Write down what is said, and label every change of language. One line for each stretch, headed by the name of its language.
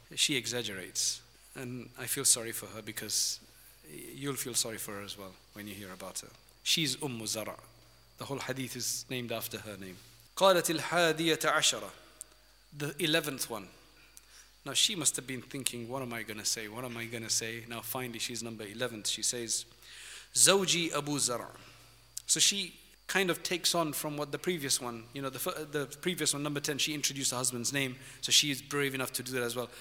English: She exaggerates. And I feel sorry for her, because you'll feel sorry for her as well when you hear about her. She's Ummu Zara. The whole hadith is named after her name.
Arabic: قالت الحادية عشرة.
English: The 11th one. Now she must have been thinking, what am I going to say? What am I going to say? Now finally she's number 11th. She says,
Arabic: زوجي أبو زرع.
English: So she kind of takes on from what the previous one, you know, the previous one, number 10, she introduced her husband's name. So she is brave enough to do that as well.